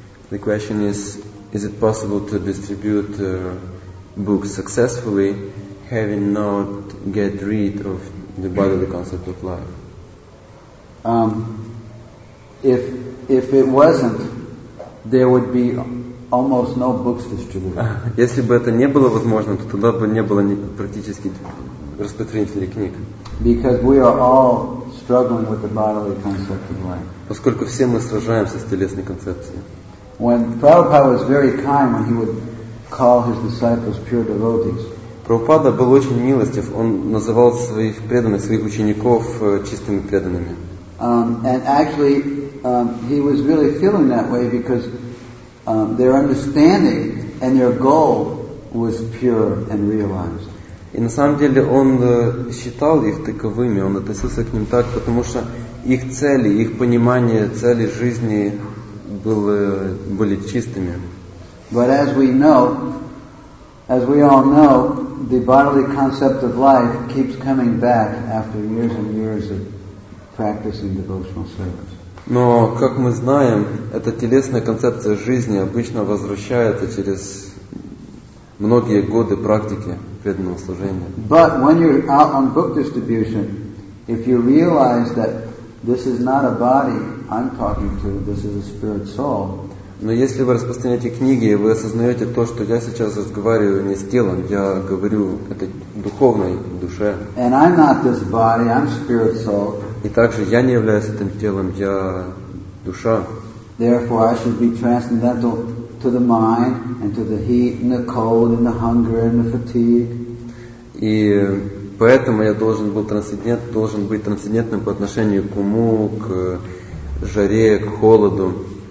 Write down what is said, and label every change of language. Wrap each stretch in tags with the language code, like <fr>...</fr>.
<en>The question is, is it possible to distribute books successfully, having not get rid of the bodily concept of life? If it wasn't, there would be almost no books distributed.</en> <ru>Если бы это не было возможно, то тогда бы не было практически распространителей книг.</ru> <en>Because we are all struggling with the bodily concept of life.</en> <ru>Поскольку все мы сражаемся с телесной концепцией.</ru> <en>When Prabhupada was very kind, when he would call his disciples pure devotees.</en> <ru>Prabhupada был очень милостив. Он называл своих преданных, своих учеников чистыми преданными.</ru> <en>And actually, he was really feeling that way because their understanding and their goal was pure and realized.</en> <ru>И на самом деле он считал их таковыми. Он относился к ним так, потому что их цели, их понимание цели жизни. Были чистыми.</ru> <en>But as we know, as we all know, the bodily concept of life keeps coming back after years and years of practicing devotional service.</en> <ru>Но как мы знаем, эта телесная концепция жизни обычно возвращается через многие годы практики преданного служения.</ru> <en>But when you're out on book distribution, if you realize that this is not a body I'm talking to, this is a spirit soul.</en> <ru>Но если вы распространяете книги, вы осознаете то, что я сейчас разговариваю не с телом, я говорю это духовной душе.</ru> <en>And I'm not this body, I'm spirit soul.</en> <ru>И также я не являюсь этим телом, я душа.</ru> <en>Therefore, I should be transcendental to the mind and to the heat and the cold and the hunger and the fatigue.</en> <ru>И поэтому я должен быть трансцендентным по отношению к уму, к жаре, к холоду.</ru>